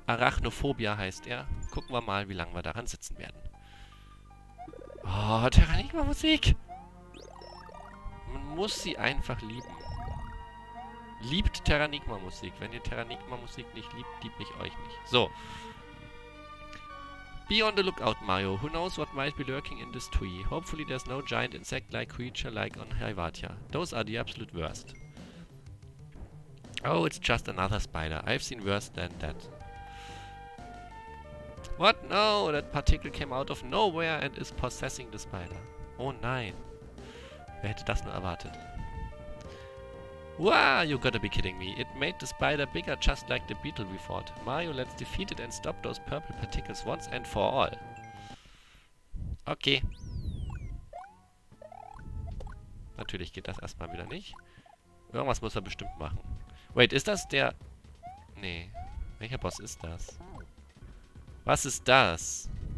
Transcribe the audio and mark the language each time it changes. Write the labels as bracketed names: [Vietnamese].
[German] Arachnophobia heißt er. Gucken wir mal, wie lange wir daran sitzen werden. Oh, Terranigma-Musik! Man muss sie einfach lieben. Liebt Terranigma-Musik. Wenn ihr Terranigma-Musik nicht liebt, liebt mich euch nicht. So. [English] Be on the lookout, Mario. Who knows what might be lurking in this tree? Hopefully there's no giant insect-like creature like on Hyvatia. Those are the absolute worst. Oh, it's just another spider. I've seen worse than that. What? No, that particle came out of nowhere and is possessing the spider. [German] Oh nein. Wer hätte das nur erwartet? [English] Wow, you gotta be kidding me. It made the spider bigger just like the beetle we fought. Mario, let's defeat it and stop those purple particles once and for all. Okay. [German] Natürlich geht das erstmal wieder nicht. Irgendwas muss er bestimmt machen. [English] Wait, [German] ist das der... Nee. Welcher Boss ist das? Was ist das?